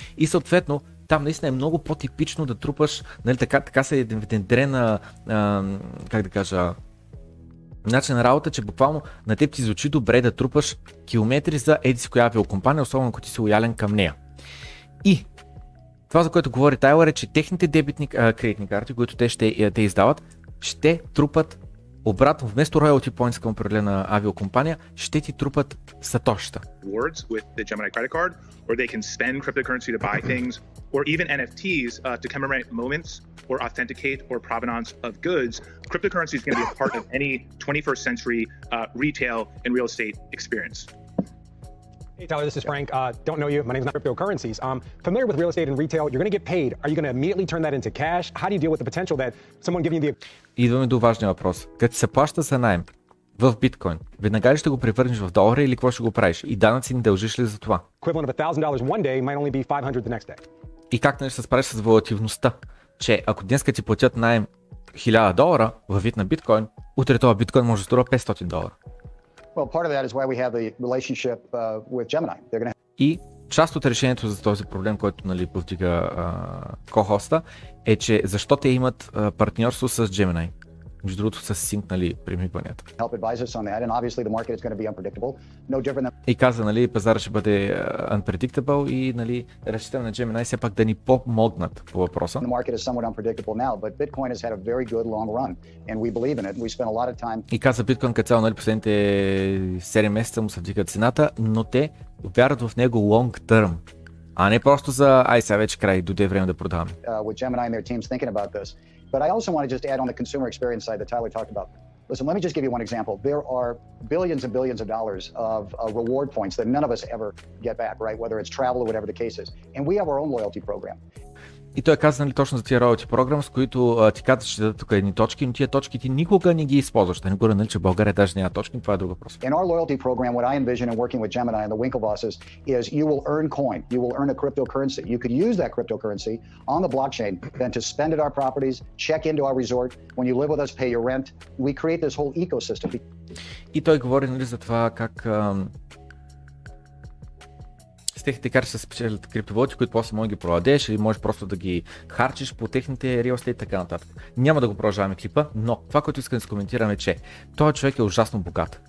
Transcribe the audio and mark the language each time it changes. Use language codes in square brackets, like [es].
[bg] И съответно там наистина е много по-типично да трупаш, нали, така се е внедрена, как да кажа, начин на работа, че буквално на теб ти звучи добре да трупаш километри за еди си коя авиокомпания, особено ако ти си лоялен към нея. И това, за което говори Тайлър, е, че техните дебитни кредитни карти, които те издават, ще трупат обратно, вместо Royalty Points към определена авиокомпания, ще ти трупат сатоща. [en] Words with the Gemini credit card, or they can spend cryptocurrency to buy things, or even NFTs to commemorate moments or authenticate or provenance of goods. Cryptocurrency is going to be a part of any 21st century retail and real estate experience. Hey Tyler, this is Frank. Don't know you. My name's not Cryptocurrencies. Familiar with real estate and retail, you're going to get paid. Are you going to immediately turn that into cash? How do you deal with the potential that someone giving you the... [bg] Идваме до важния въпрос. Като се плаща за найем в биткоин, веднага ли ще го превърнеш в долари или какво ще го правиш? И данъци не дължиш ли за това? [en] Equivalent of $1,000 one day might only be $500 the next day. [bg] И как не ще се справиш с волативността, че ако днеска ти платят найем $1,000 във вид на биткоин, утре това биткоин може да струва $500. [en] Well, part of that is why we have the relationship with Gemini. They're going to... [bg] И част от решението за този проблем, който, нали, повдига ко-хоста, е, че защо те имат партньорство с Gemini. Между другото, са синкнали примигванията. [en] Help advises on that and obviously the market is going to be unpredictable. No different than... [bg] И каза, нали, пазара ще бъде unpredictable и, нали, разчитам на Gemini все пак да ни помогнат по въпроса. [en] The market is somewhat unpredictable now, but Bitcoin has had a very good long run and we believe in it. We spent a lot of time. [bg] И каза, Bitcoin като, нали, последните 7 месеца му се вдига цената, но те вярват в него long term. А не просто за ай сега вече край, дойде време да продаваме. [en] With Gemini and their teams thinking about this. But I also want to just add on the consumer experience side that Tyler talked about. Listen, let me just give you one example. There are billions and billions of dollars of reward points that none of us ever get back, right? Whether it's travel or whatever the case is. And we have our own loyalty program. [bg] И той каза, нали, точно за тия loyalty програм, с които ти казваш, че дадат тук едни точки, но тия точки ти никога не ги използваш. Да не говоря, нали, че България даже няма точки, това е друг въпрос. [en] In our loyalty program, what I envision in working with Gemini and the Winklevosses is you will earn coin, you will earn a cryptocurrency. You could use that cryptocurrency on the blockchain, then to spend at our properties, check into our resort, when you live with us, pay your rent. We create this whole ecosystem. [bg] И той говори, нали, за това как... Техните карти се спечелят криптовалути, които после може ги продадеш или можеш просто да ги харчиш по техните real estate и така нататък. Няма да го продължаваме клипа, но това, което искам да коментираме, че този човек е ужасно богат.